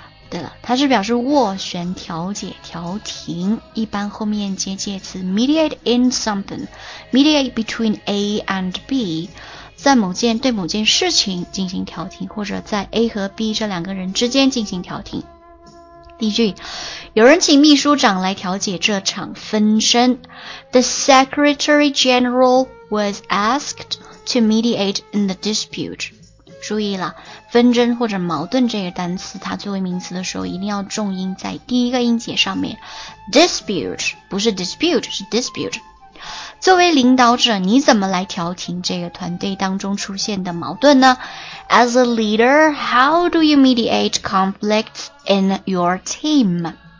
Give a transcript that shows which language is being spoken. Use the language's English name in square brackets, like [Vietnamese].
[Chinese] 对了，它是表示斡旋、调解、调停，一般后面接介词 [English] mediate in something， mediate between A and B， [Chinese] 在某件对某件事情进行调停，或者在 A 和 B 这两个人之间进行调停。例句，有人请秘书长来调解这场纷争。 [English] The Secretary General was asked to mediate in the dispute. [Chinese] 注意了，纷争或者矛盾这个单词，它作为名词的时候一定要重音在第一个音节上面。 Dispute， 不是 dispute， 是 dispute。作为领导者，你怎么来调停这个团队当中出现的矛盾呢？ [English] As a leader, how do you mediate conflicts in your team?